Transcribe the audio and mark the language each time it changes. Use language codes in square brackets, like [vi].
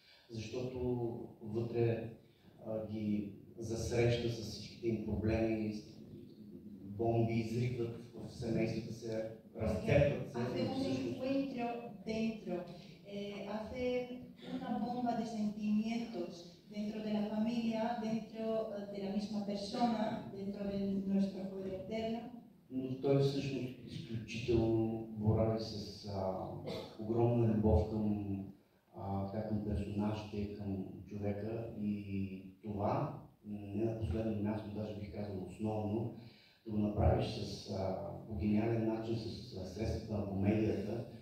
[bg] Защото вътре ги засреща с всичките им проблеми, бомби изригват в семействата се, разтепват се. [es] Hace un encuentro dentro. Hace una bomba de sentimientos dentro de la familia, dentro de la misma persona, dentro de nuestro poder interno. [bg] Но той всъщност изключително борави с огромна любов към персонажите, към човека и това, не на последно място, даже бих казал основно, да го направиш по гениален начин с средствата на комедията.